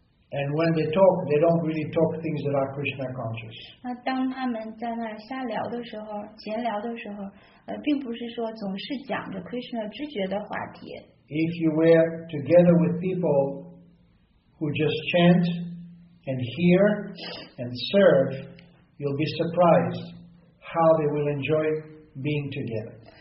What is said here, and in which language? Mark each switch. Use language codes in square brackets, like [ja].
[en] And when they talk, they don't really talk things that are Krishna conscious. [zh] 当他们在那瞎聊的时候，闲聊的时候，并不是说总是讲着 Krishna 知觉的话题。 [en] If you were together with people who just chant and hear and serve, you'll be surprised how they will enjoy being together.